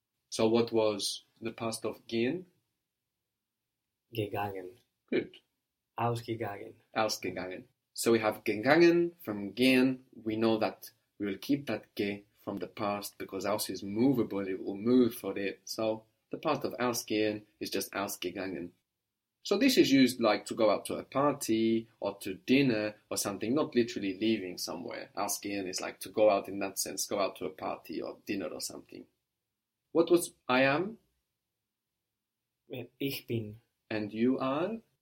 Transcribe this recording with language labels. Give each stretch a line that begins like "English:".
English: So what was the past of gehen?
German: Gegangen.
English: Good.
German: Ausgegangen. Ausgegangen.
English: So we have gegangen from gehen. We know that. We will keep that ge from the past because aus is movable, it will move for it. So the past of ausgehen is just ausgegangen. So this is used like to go out to a party or to dinner or something, not literally leaving somewhere. Ausgehen is like to go out in that sense, go out to a party or dinner or something. What was I am?
German: Ich bin.
English: And you are?